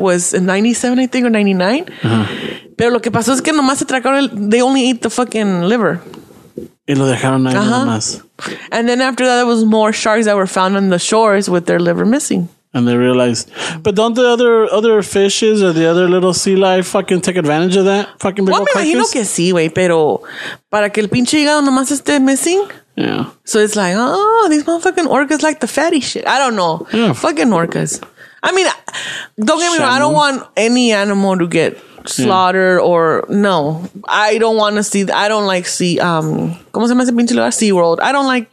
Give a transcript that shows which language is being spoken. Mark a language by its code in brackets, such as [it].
[en] was in 97, I think, or 99. [es] Pero lo que pasó es que nomás se tragaron, [en] they only ate the fucking liver. [es] Y lo dejaron ahí nomás. [en] And then after that, there was more sharks that were found on the shores with their liver missing. And they realized. But don't the other fishes or the other little sea life fucking take advantage of that? Fucking big old carcass? [es] Well, me imagino que sí, güey, pero para que el pinche hígado nomás esté [en] missing. Yeah. So it's like, oh, these motherfucking orcas like the fatty shit. I don't know. Yeah. Fucking orcas. I mean, don't get me wrong. I don't want any animal to get slaughtered or no. I don't want to see. I don't like see. [es] ¿Cómo se llama ese pinche lugar? [en] SeaWorld. I don't like.